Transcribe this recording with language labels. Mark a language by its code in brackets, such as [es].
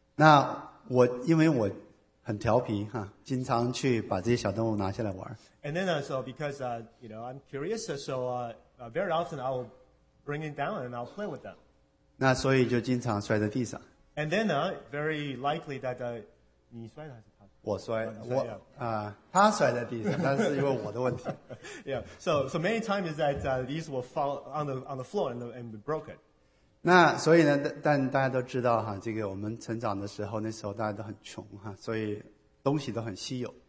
[zh] 那我因为我很调皮哈，经常去把这些小动物拿下来玩。 [en] And then, so because you know, I'm curious, so very often I will bring it down and I'll play with them. [zh] 那所以就经常摔在地上。 [en] And then, very likely that [zh] 你摔的还是他？我摔，我啊、他摔在地上，但是因为我的问题。 [en] Yeah, so many times is that these will fall on the floor and be broken. [zh] 那所以呢但大家都知道哈这个我们成长的时候那时候大家都很穷哈所以东西都很稀有。